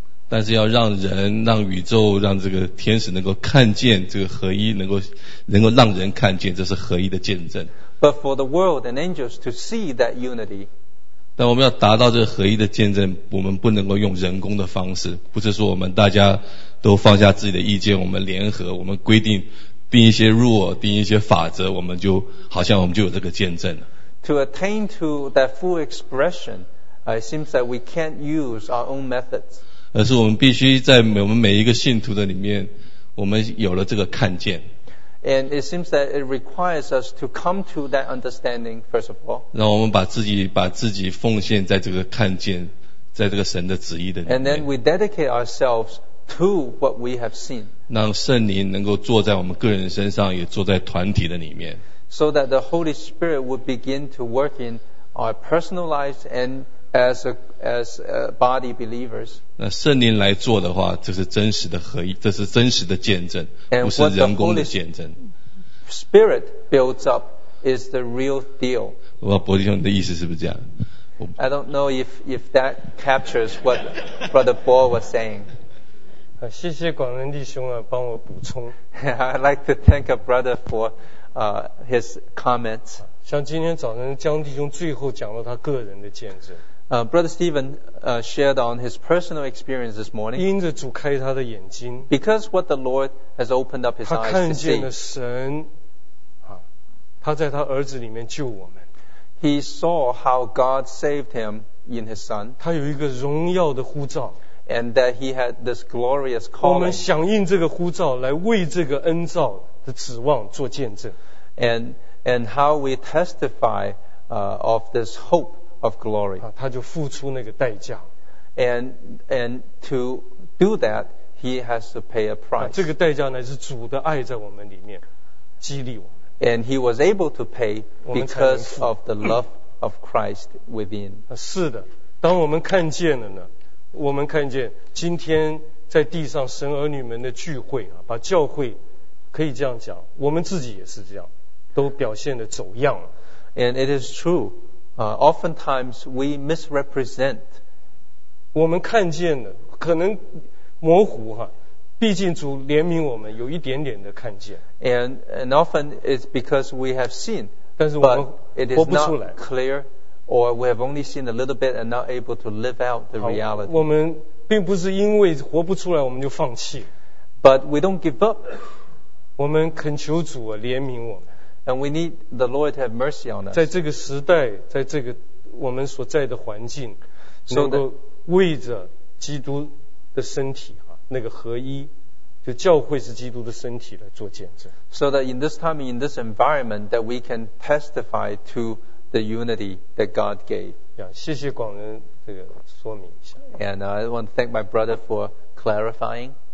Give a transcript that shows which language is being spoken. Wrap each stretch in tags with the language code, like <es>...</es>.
<zh>但是要让人、让宇宙、让这个天使能够看见这个合一，能够让人看见，这是合一的见证。</zh> <en>But for the world and angels to see that unity.</en> <zh>但我们要达到这个合一的见证，我们不能够用人工的方式，不是说我们大家都放下自己的意见，我们联合，我们规定定一些 rule， 定一些法则，我们就好像我们就有这个见证了。</zh> <en>To attain to that full expression, it seems that we can't use our own methods.</en> <zh>而是我们必须在我们每一个信徒的里面，我们有了这个看见。</zh> <en>And it seems that it requires us to come to that understanding first of all.</en> <zh>让我们把自己奉献在这个看见，在这个神的旨意的里面。</zh> <en>And then we dedicate ourselves to what we have seen.</en> <zh>让圣灵能够坐在我们个人身上，也坐在团体的里面。</zh> <en>So that the Holy Spirit would begin to work in our personal lives and as a body believers.</en> <zh>那圣灵来做的话，这是真实的合一，这是真实的见证，不是人工的见证。</zh> <en>Spirit builds up is the real deal.</en> <zh>我说伯弟兄，你的意思是不是这样</zh> <en>？I don't know if that captures what Brother Paul was saying.</en> <zh>啊，谢谢广仁弟兄啊，帮我补充。</zh> <en>I'd like to thank a brother for. His comments.</en> <zh>像今天早上江弟兄最后讲到他个人的见证。</zh> <en>Brother Stephen shared on his personal experience this morning.</en> <zh>因着主开他的眼睛。</zh> <en>Because what the Lord has opened up his eyes to see.</en> <zh>他看见了神，啊，他在他儿子里面救我们。</zh> <en>He saw how God saved him in his son.</en> <zh>他有一个荣耀的呼召。</zh> <en>And that he had this glorious calling.</en> <zh>我们响应这个呼召，来为这个恩召。的指望做见证</zh> <en>and how we testify of this hope of glory</en> <zh>啊，他就付出那个代价</zh> <en>and to do that he has to pay a price</en> <zh>啊，这个代价乃是主的爱在我们里面激励我们</zh> <en>and he was able to pay because of the love of Christ within</en> <zh>啊，是的当我们看见了呢我们看见今天在地上神儿女们的聚会啊，把教会可以这样讲，我们自己也是这样，都表现得走样了。</zh> <en>And it is true, oftentimes we misrepresent.</en> <zh>我们看见的可能模糊哈，毕竟主怜悯我们，有一点点的看见。</zh> <en>And often it's because we have seen,</en> <zh>但是我们活不出来。</zh> <en>But it is not clear, or we have only seen a little bit and not able to live out the reality.</en> <zh>我们并不是因为活不出来我们就放弃。</zh> <en>But we don't give up.</en> <zh>我们恳求主啊，怜悯我们。</zh> <en>And we need the Lord to have mercy on us.</en> <zh>在这个时代，在这个我们所在的环境，能够为着基督的身体啊，那个合一，就教会是基督的身体来做见证。</zh> <en>So that in this time, in this environment, that we can testify to the unity that God gave.</en> <zh>呀，谢谢广仁这个说明一下。</zh> <en>And I want to thank my brother for clarifying.</en>